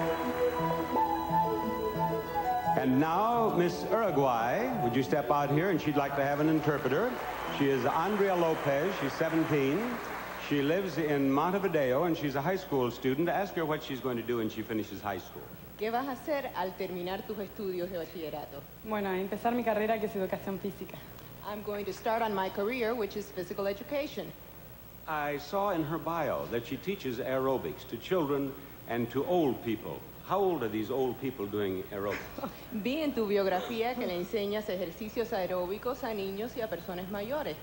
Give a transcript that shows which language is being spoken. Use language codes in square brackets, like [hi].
[en] And now, Miss Uruguay, would you step out here? And she'd like to have an interpreter. She is Andrea Lopez. She's 17. She lives in Montevideo, and she's a high school student. Ask her what she's going to do when she finishes high school. [es] ¿Qué vas a hacer al terminar tus estudios de bachillerato? Bueno, empezar mi carrera, que es educación física. [en] I'm going to start on my career, which is physical education. I saw in her bio that she teaches aerobics to children and to old people. How old are these old people doing aerobics? [es] Vi en tu biografía que le enseñas ejercicios aeróbicos a niños y a personas mayores.